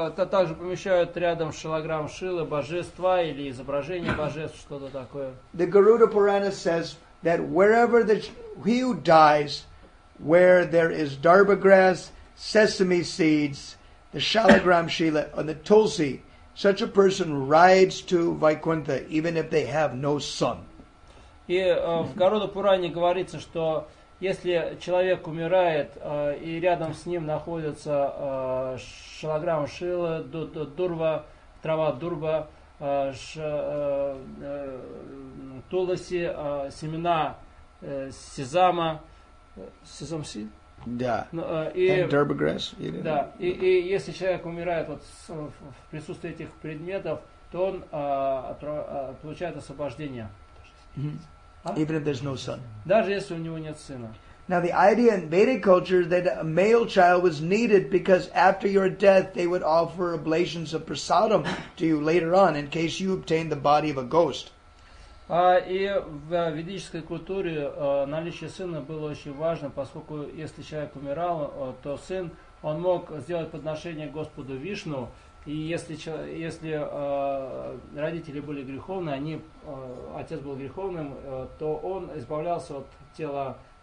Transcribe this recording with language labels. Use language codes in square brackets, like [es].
[ru] также помещают рядом шалограмм шила божества или изображение божеств, что-то такое. [en] The Garuda Purana says that wherever the he who dies, where there is darba grass, sesame seeds, the shalagram shila, and the tulsi, such a person rides to Vaikuntha even if they have no son. [ru] И в Garuda Purana говорится, что если человек умирает, и рядом с ним находится шалограмма шила, дурва, трава дурва, тулоси, семена сезама, сезам-сид? Да. Но, и, Derbigress, или, да. И если человек умирает вот в присутствии этих предметов, то он получает освобождение. [en] Mm-hmm. Even if there's no son. [ru] Даже если у него нет сына. [en] Now the idea in Vedic culture that a male child was needed because after your death they would offer oblations of prasadam to you later on in case you obtained the body of a ghost. [ru] И в ведической культуре наличие сына было очень важно, поскольку если человек умирал, то сын он мог сделать подношение Господу Вишну, и если родители были греховные, они отец был греховным, то он избавлялся от тела.